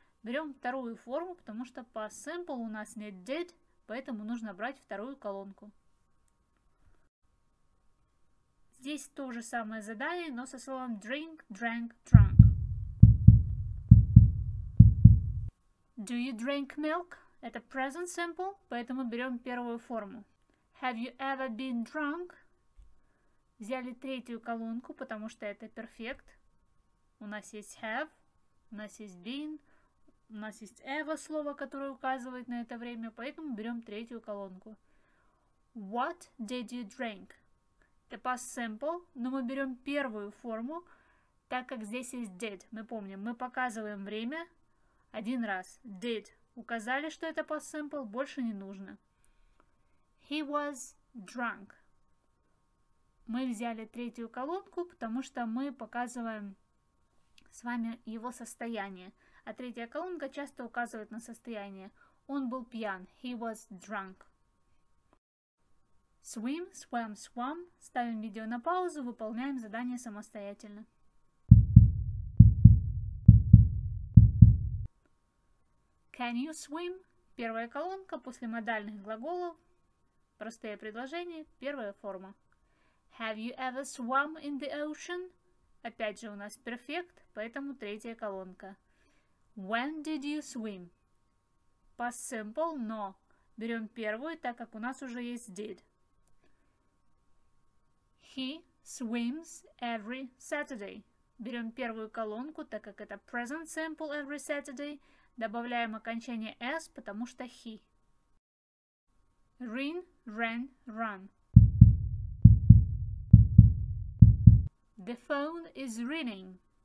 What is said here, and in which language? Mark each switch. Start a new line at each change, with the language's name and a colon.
Russian: Берем вторую форму, потому что past simple у нас нет did, поэтому нужно брать вторую колонку. Здесь то же самое задание, но со словом
English: drink, drank, drunk. Do you drink milk?
Russian: Это present simple, поэтому берем первую форму.
English: Have you ever been drunk?
Russian: Взяли третью колонку, потому что это perfect. У нас есть have, у нас есть been, у нас есть ever слово, которое указывает на это время, поэтому берем третью колонку.
English: What did you drink?
Russian: Это past simple, но мы берем первую форму, так как здесь есть did. Мы помним, мы показываем время один раз.
English: Did.
Russian: Указали, что это past simple, больше не нужно.
English: He was drunk.
Russian: Мы взяли третью колонку, потому что мы показываем с вами его состояние. А третья колонка часто указывает на состояние. Он был пьян.
English: He was drunk. Swim, swam, swam.
Russian: Ставим видео на паузу, выполняем задание самостоятельно.
English: Can you swim?
Russian: Первая колонка после модальных глаголов. Простые предложения, первая форма.
English: Have you ever swum in the ocean?
Russian: Опять же у нас perfect, поэтому третья колонка.
English: When did you swim?
Russian: Past simple, но берем первую, так как у нас уже есть did.
English: He swims every Saturday.
Russian: Берем первую колонку, так как это present simple
English: every Saturday.
Russian: Добавляем окончание s, потому что he.
English: Rin, ran, run. The phone is ringing.